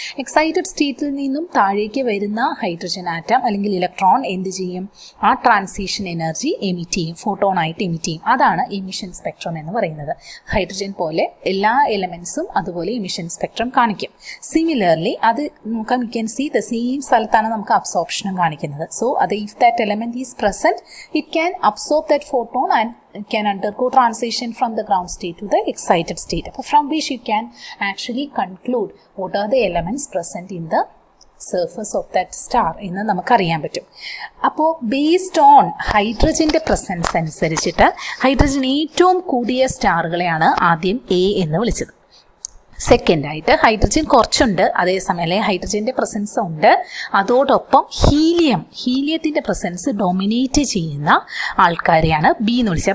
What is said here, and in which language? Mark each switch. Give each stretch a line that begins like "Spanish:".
Malayalam: Excited സ്റ്റേറ്റിൽ നിന്നും താഴേക്ക് വരുന്ന ഹൈഡ്രജൻ ആറ്റം അല്ലെങ്കിൽ ഇലക്ട്രോൺ എന്ത് ചെയ്യും? ആ ട്രാൻസിഷൻ എനർജി എമിറ്റ് ചെയ്യും, ഫോട്ടോൺ ആയിട്ട് എമിറ്റ് ചെയ്യും. അതാണ് എമിഷൻ സ്പെക്ട്രം എന്ന് പറയുന്നത്. ഹൈഡ്രജൻ പോലെ എല്ലാ എലമെൻസും അതുപോലെ എമിഷൻ സ്പെക്ട്രം കാണിക്കും. സിമിലർലി അത് നമുക്ക്
English: you can see the same
Malayalam: സ്ഥലത്താണ് നമുക്ക് അബ്സോർപ്ഷനും കാണിക്കുന്നത്.
English: so അത് if that element is present it can absorb that photon and can undergo transition from the ground state to the excited state, from which you can actually conclude what are the elements present in the surface of that star
Malayalam: എന്ന് നമുക്കറിയാൻ പറ്റും. അപ്പോൾ based on ഹൈഡ്രജൻ്റെ presence അനുസരിച്ചിട്ട് hydrogen ഏറ്റവും കൂടിയ സ്റ്റാറുകളെയാണ് ആദ്യം A എന്ന് വിളിച്ചത്. സെക്കൻഡായിട്ട് ഹൈഡ്രജൻ കുറച്ചുണ്ട്, അതേസമയം ഹൈഡ്രജൻ്റെ പ്രസൻസ് ഉണ്ട്, അതോടൊപ്പം ഹീലിയം, ഹീലിയത്തിൻ്റെ പ്രസൻസ് ഡൊമിനേറ്റ് ചെയ്യുന്ന ആൾക്കാരെയാണ് ബി എന്ന് വിളിച്ചത്.